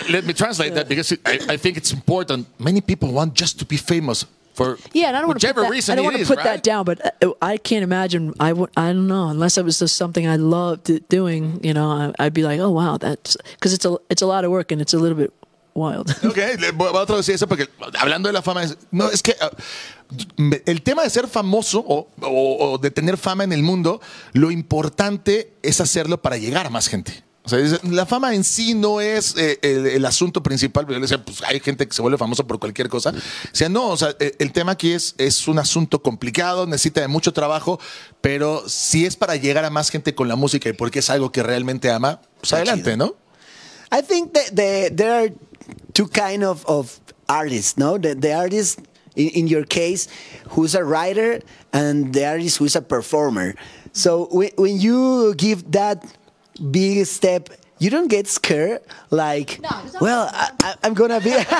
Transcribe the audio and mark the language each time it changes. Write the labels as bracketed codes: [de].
[en] Let me translate that, because I think it's important. Many people want just to be famous. I don't want to put that down, but I can't imagine. I don't know, unless it was just something I loved doing. You know, I'd be like, oh wow, that's, because it's a lot of work and it's a little bit wild. [es] Okay, voy a traducir eso porque hablando de la fama es que el tema de ser famoso o de tener fama en el mundo, lo importante es hacerlo para llegar a más gente. O sea, dice, la fama en sí no es el asunto principal. Yo le decía, pues hay gente que se vuelve famosa por cualquier cosa. O sea, no, o sea, el tema aquí es un asunto complicado, necesita de mucho trabajo, pero si es para llegar a más gente con la música y porque es algo que realmente ama, pues adelante, ¿no? [en] I think that there are two kind of artists, no? The artist in your case who's a writer and the artist who's a performer. So when you give that big step, you don't get scared, like, no, well, I'm gonna be.